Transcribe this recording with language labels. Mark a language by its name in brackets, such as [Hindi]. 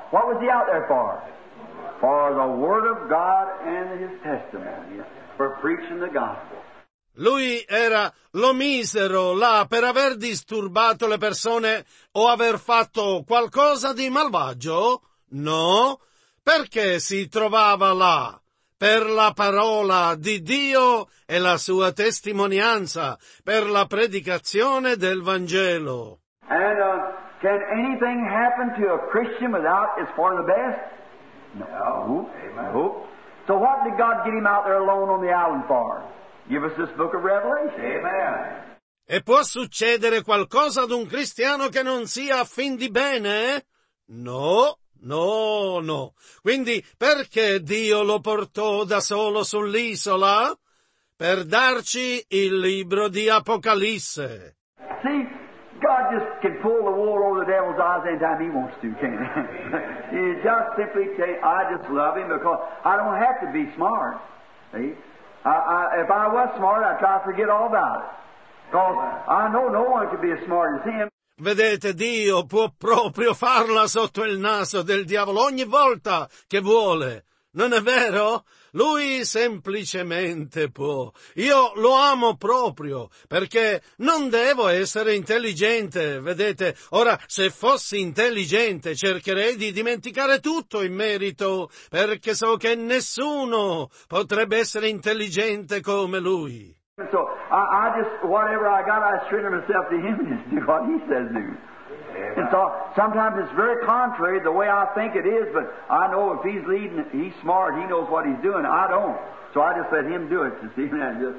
[English] What was he out there for? For the word of God and his testimony. For preaching the gospel. [Italian] Lui era, lo misero là per aver disturbato le persone o aver fatto qualcosa di malvagio? No. Perché si trovava là? Per la parola di Dio e la sua testimonianza, per la predicazione del Vangelo. [English] And can anything happen to a Christian without it's for the best? No. Amen. No. So what did God get him out there alone on the island for? Give us this book of Revelation. Amen. [Italian] E può succedere qualcosa ad un cristiano che non sia a fin di bene? No, no, no. Quindi perché Dio lo portò da solo sull'isola? Per darci il libro di Apocalisse. [English] See, God just can pull the wool over the devil's eyes anytime he wants to, can't he? He just simply say, I just love him because I don't have to be smart. See? If I was smart, I'd try to forget all about it. Because I know no one could be as smart as him. [Italian] Vedete, Dio può proprio farla sotto il naso del diavolo ogni volta che vuole. Non è vero? Lui semplicemente può. Io lo amo proprio, perché non devo essere intelligente, vedete. Ora, se fossi intelligente, cercherei di dimenticare tutto in merito, perché so che nessuno potrebbe essere intelligente come lui. [English] So, I just, whatever I got, I surrender myself to him and just do what he says to do. And so, sometimes it's very contrary the way I think it is, but I know if he's leading, he's smart, he knows what he's doing, I don't. So I just let him do it, you see, and